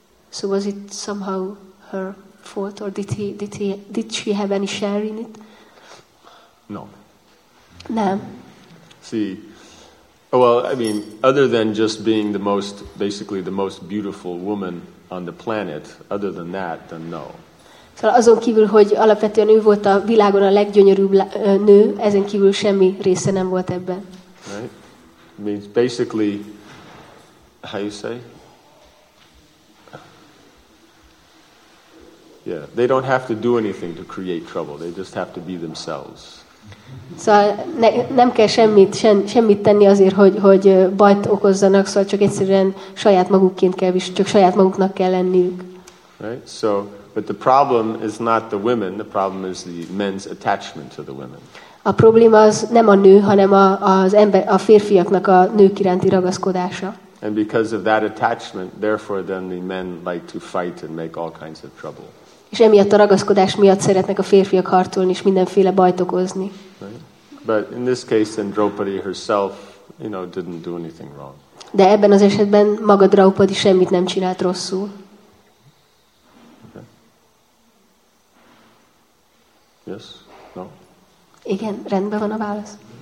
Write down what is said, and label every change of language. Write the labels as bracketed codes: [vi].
[en] So was it somehow her fault, or did she have any share in it? No. Nah. See. Well, I mean, other than just being the most, basically the most beautiful woman on the planet, other than that, then no. [hu] Szóval azon kívül, hogy alapvetően ő volt a világon a leggyönyörűbb nő, ezen kívül semmi része nem volt ebben. [en] Right? I mean, basically, how you say? Yeah, they don't have to do anything to create trouble. They just have to be themselves. [hu] Szóval nem kell semmit tenni azért, hogy bajt okozzanak, szóval csak egyszerűen saját magukként kell is, csak saját maguknak kell lenniük. [en] Right? So, but the problem is not the women, the problem is the men's attachment to the women. [hu] A probléma az nem a nő, hanem a férfiaknak a nők iránti ragaszkodása. [en] And because of that attachment, therefore then the men like to fight and make all kinds of trouble. [hu] És emiatt a ragaszkodás miatt szeretnek a férfiak harcolni és mindenféle bajt okozni. [en] But in this case, Draupadi herself, you know, didn't do anything wrong. [hu] De ebben az esetben maga Draupadi semmit nem csinált rosszul. [en] Okay. Yes? No? [hu] Igen, rendben van a válasz.